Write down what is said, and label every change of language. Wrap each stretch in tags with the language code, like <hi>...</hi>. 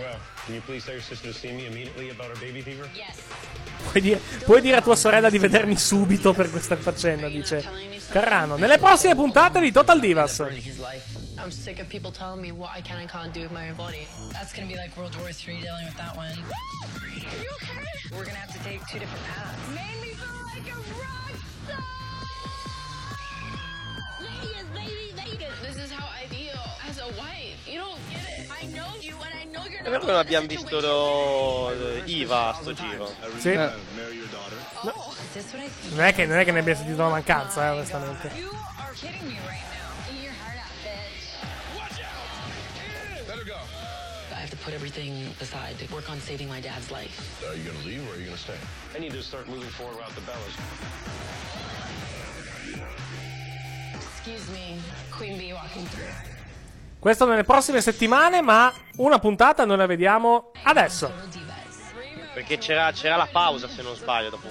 <en>Well, can you please tell your sister to see me immediately about her baby fever? Yes.</en> <it>Puoi dire a tua sorella di vedermi subito per questa faccenda, dice Carrano. Nelle prossime puntate di Total Divas.</it> <en>I'm sick of people telling me what I can and can't do with my own body. That's gonna be like World War III dealing with that one. Are you okay? We're gonna have to take two different paths. Mainly for like a rock star! Ladies, ladies, ladies! This is how I feel as a wife. You don't get it. I know you and I know you're not.</en> <it>Perché non abbiamo visto Eva a sto giro? Sì. Non è che ne abbia sentito la mancanza, onestamente.</it> <en>You are kidding me right now. To put everything aside to work on saving my dad's life. Are you gonna leave or are you gonna stay? I need to start moving forward about the Bellas. Excuse me, Queen Bee walking through.</en> <it>Questo nelle prossime settimane, ma una puntata noi la vediamo adesso. Perché c'era la pausa, se non sbaglio, dopo.</it>